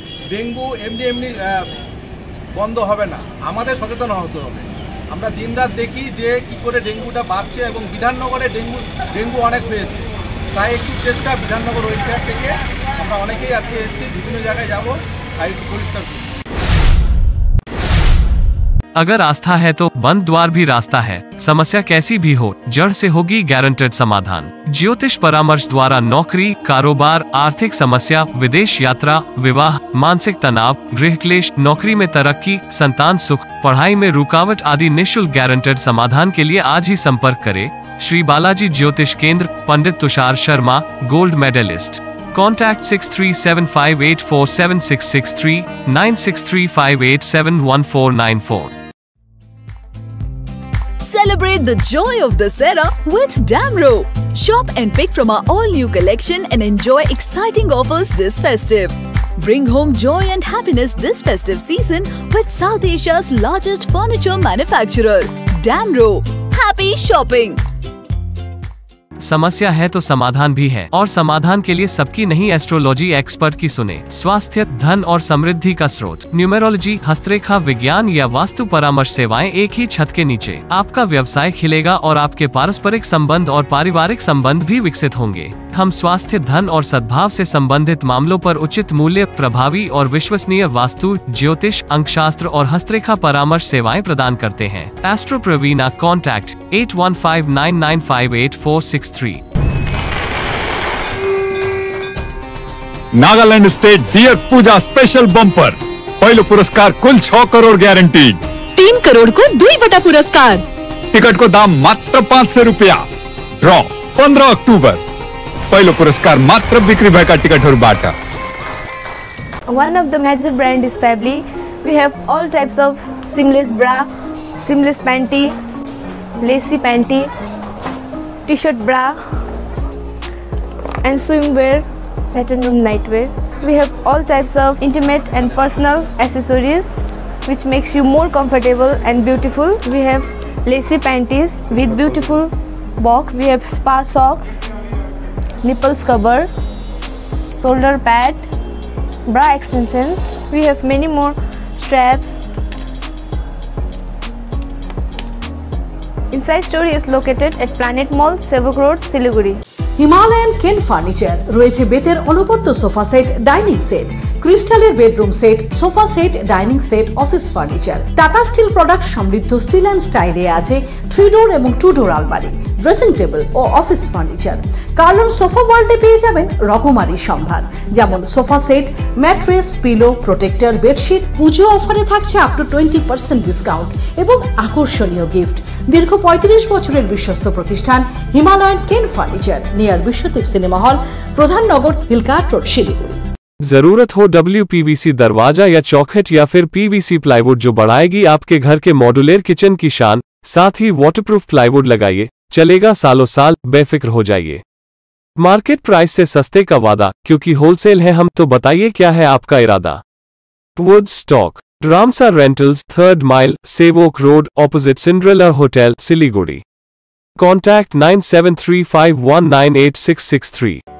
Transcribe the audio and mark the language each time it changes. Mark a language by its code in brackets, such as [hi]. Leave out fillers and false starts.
[bn] Dengue এমনি এমনি বন্ধ হবে না, আমাদের সচেতন হতে হবে। আমরা দিন রাত দেখি যে কী করে ডেঙ্গুটা বাড়ছে এবং বিধাননগরে ডেঙ্গু অনেক হয়েছে, তাই একটু চেষ্টা বিধাননগর ওয়েলফেয়ার থেকে আমরা অনেকেই আজকে এসেছি, বিভিন্ন জায়গায় যাবো তাই একটু পরিষ্কার। [hi] अगर आस्था है तो बंद द्वार भी रास्ता है। समस्या कैसी भी हो जड़ से होगी गारंटेड समाधान। ज्योतिष परामर्श द्वारा नौकरी, कारोबार, आर्थिक समस्या, विदेश यात्रा, विवाह, मानसिक तनाव, गृह क्लेश, नौकरी में तरक्की, संतान सुख, पढ़ाई में रुकावट आदि निःशुल्क गारंटेड समाधान के लिए आज ही संपर्क करें श्री बालाजी ज्योतिष केंद्र, पंडित Tushar Sharma, gold medallist. [en] Contact 6375847663, 9635871494. Celebrate the joy of this era with Damro. Shop and pick from our all-new collection and enjoy exciting offers this festive. Bring home joy and happiness this festive season with South Asia's largest furniture manufacturer, Damro. Happy shopping! [hi] समस्या है तो समाधान भी है, और समाधान के लिए सबकी नहीं एस्ट्रोलॉजी एक्सपर्ट की सुने। स्वास्थ्य, धन और समृद्धि का स्रोत न्यूमेरोलॉजी, हस्तरेखा विज्ञान या वास्तु परामर्श सेवाएं एक ही छत के नीचे। आपका व्यवसाय खिलेगा और आपके पारस्परिक संबंध और पारिवारिक संबंध भी विकसित होंगे। हम स्वास्थ्य, धन और सद्भाव से संबंधित मामलों पर उचित मूल्य, प्रभावी और विश्वसनीय वास्तु, ज्योतिष, अंकशास्त्र और हस्तरेखा परामर्श सेवाएं प्रदान करते हैं। एस्ट्रो प्रवीणा, कॉन्टैक्ट 8159958463। [ne] नागालैंड स्टेट डियर पूजा स्पेशल बम्पर पहिलो पुरस्कार कुल 6 करोड़ ग्यारंटी 3 करोड़ को 2 बटा पुरस्कार टिकट को दाम मात्र 500 रुपया ड्रॉ 15 अक्टूबर पहिलो पुरस्कार मात्र बिक्री भएका टिकटहरु बाट [en] One of the major brand is Fably we have all types of seamless bra seamless panty lacy panty T shirt bra and swimwear satin room nightwear We have all types of intimate and personal accessories which makes you more comfortable and beautiful. We have lacy panties with beautiful box. We have spa socks, nipples cover, shoulder pad, bra extensions. We have many more straps. Inside store is located at Planet Mall, Sevok Road, Siliguri. [bn] Himalayan কেন furniture রয়েছে বেতের অনবদ্য sofa set dining set ক্রিস্টালের bedroom set sofa set dining set office furniture tata still product সমৃদ্ধ steel and স্টাইলে আছে three ডোর এবং two ডোর আলমারি ড্রেসিং টেবিল ও অফিস ফার্নিচার কার্লন সোফা ওয়ার্ল্ডে পেয়ে যাবেন রকমারি সম্ভার যেমন sofa set mattress pillow protector bedsheet পুজো অফারে থাকছে আপ টু 20% ডিসকাউন্ট এবং আকর্ষণীয় গিফট দীর্ঘ 35 বছরের বিশ্বস্ত প্রতিষ্ঠান হিমালয়ান কেন furniture near Biswadip cinema hall প্রধান নগর হিলকার্ট রোড শিলিগুড়ি [hi] जरूरत हो WPVC दरवाजा या चौखट या फिर PVC प्लाईवुड जो बढ़ाएगी आपके घर के मॉड्यूलर किचन की शान साथ ही वाटरप्रूफ प्लाईवुड लगाइए चलेगा सालों साल बेफिक्र हो जाइए मार्केट प्राइस से सस्ते का वादा क्योंकि होलसेल है हम तो बताइए क्या है आपका इरादा would stock Ramsa rentals 3rd mile Sevoke road opposite Cinderella hotel Siliguri contact 9735198663